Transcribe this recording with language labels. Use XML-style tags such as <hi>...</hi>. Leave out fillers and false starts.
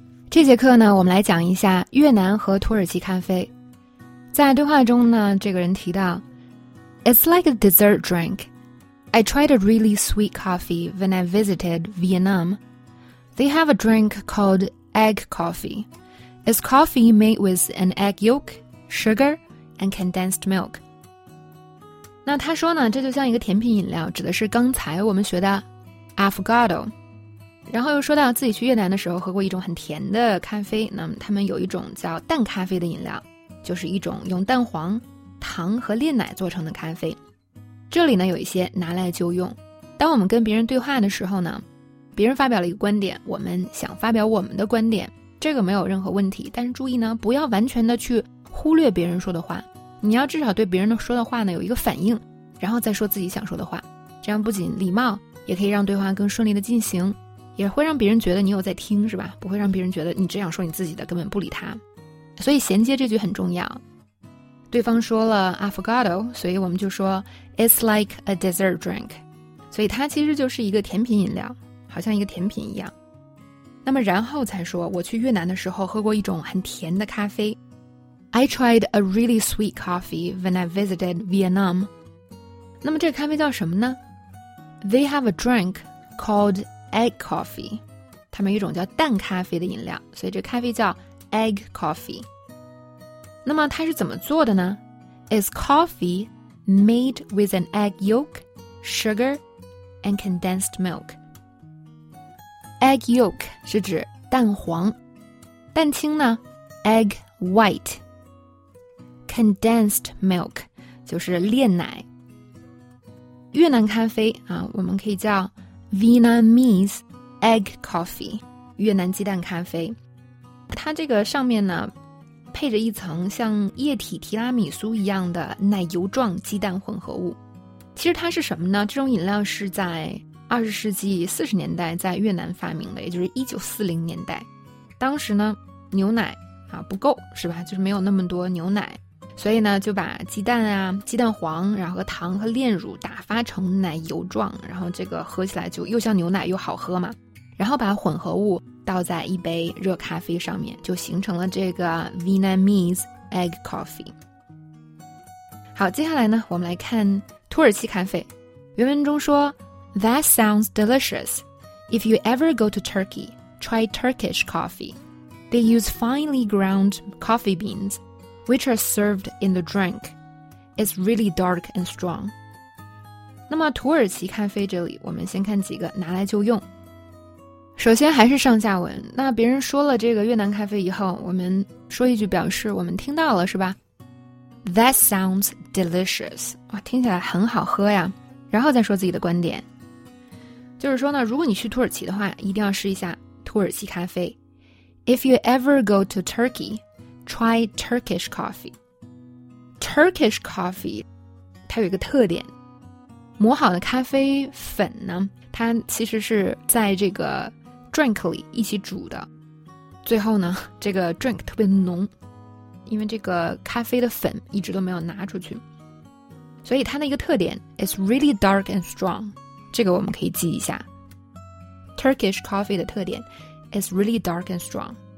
<zh>这节课呢，我们来讲一下越南和土耳其咖啡。在对话中呢，这个人提到</zh> <en>It's like a dessert drink. I tried a really sweet coffee when I visited Vietnam. They have a drink called egg coffee. It's coffee made with an egg yolk, sugar, and condensed milk.</en> <zh>那他说呢，这就像一个甜品饮料，指的是刚才我们学的 Affogato。然后又说到自己去越南的时候喝过一种很甜的咖啡，那么他们有一种叫淡咖啡的饮料，就是一种用蛋黄、糖和炼奶做成的咖啡。这里呢有一些拿来就用，当我们跟别人对话的时候呢，别人发表了一个观点，我们想发表我们的观点，这个没有任何问题，但是注意呢，不要完全的去忽略别人说的话，你要至少对别人说的话呢有一个反应，然后再说自己想说的话，这样不仅礼貌，也可以让对话更顺利的进行，也会让别人觉得你有在听，是吧？不会让别人觉得你只想说你自己的，根本不理他。所以衔接这句很重要。对方说了 Affogato， 所以我们就说</zh> <en>It's like a dessert drink，</en> <zh>所以它其实就是一个甜品饮料，好像一个甜品一样。那么然后才说，我去越南的时候喝过一种很甜的咖啡。</zh> <en>I tried a really sweet coffee when I visited Vietnam。</en> <zh>那么这个咖啡叫什么呢？</zh> <en>They have a drink calledegg coffee，</en> <zh>他们有一种叫蛋咖啡的饮料，所以这咖啡叫 egg coffee。那么它是怎么做的呢？</zh> <en>It's coffee made with an egg yolk, sugar, and condensed milk.</en> <zh>Egg yolk 是指蛋黄，蛋清呢 egg white， condensed milk 就是炼奶。越南咖啡啊，我们可以叫Vietnamese egg coffee， 越南鸡蛋咖啡。它这个上面呢配着一层像液体提拉米苏一样的奶油状鸡蛋混合物。其实它是什么呢？这种饮料是在20世纪40年代在越南发明的，也就是1940年代。当时呢牛奶啊不够，是吧，就是没有那么多牛奶，所以呢就把鸡蛋啊鸡蛋黄然后和糖和炼乳打发成奶油状，然后这个喝起来就又像牛奶又好喝嘛，然后把混合物倒在一杯热咖啡上面，就形成了这个 Vietnamese egg coffee。好，接下来呢我们来看土耳其咖啡。原文中说</zh> <en>That sounds delicious. If you ever go to Turkey, try Turkish coffee. They use finely ground coffee beanswhich are served in the drink. It's really dark and strong.</en> <zh>那么土耳其咖啡这里，我们先看几个拿来就用。首先还是上下文，那别人说了这个越南咖啡以后，我们说一句表示我们听到了，是吧？</zh> <en>That sounds delicious.</en> <zh>哇，听起来很好喝呀。然后再说自己的观点。就是说呢，如果你去土耳其的话，一定要试一下土耳其咖啡。</zh> <en>If you ever go to Turkey,Try Turkish coffee.</en> <zh>Turkish coffee 它有一个特点，磨好的咖啡粉呢，它其实是在这个 drink 里一起煮的，最后呢这个 drink 特别浓，因为这个咖啡的粉一直都没有拿出去，所以它的一个特点</zh> <en>It's really dark and strong，</en> <zh>这个我们可以记一下 Turkish coffee 的特点 It's really dark and strong。</zh>